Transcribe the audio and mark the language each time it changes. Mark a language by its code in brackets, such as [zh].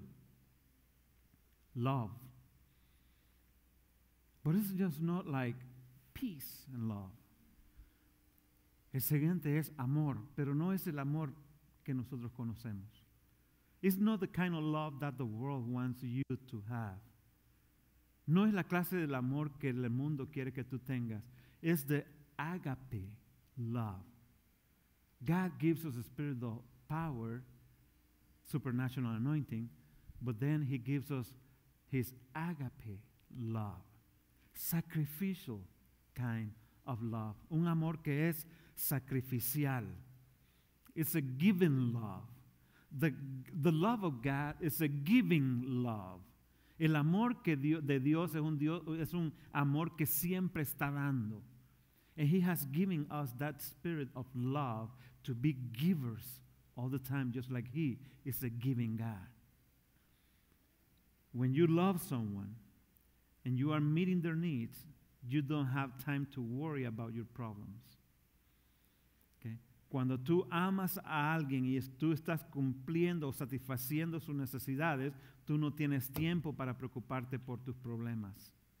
[en] Number two, love. But it's just not like peace and love. [es] El siguiente es amor, pero no es el amor que nosotros conocemos. [en] It's not the kind of love that the world wants you to have. [es] No es la clase del amor que el mundo quiere que tú tengas. [en] It's the agape love. God gives us a spiritual power, supernatural anointing, but then he gives us his agape love, sacrificial kind of love. [es] Un amor que es sacrificial. [en] It's a giving love. The love of God is a giving love. [es] El amor que de Dios es un Dios, es un amor que siempre está dando. [en] And he has given us that spirit of love to be givers all the time, just like he is a giving God. When you love someone and you are meeting their needs, you don't have time to worry about your problems. [es] Cuando tú amas a alguien y tú estás cumpliendo o satisfaciendo sus necesidades, tú no tienes tiempo para preocuparte por tus problemas.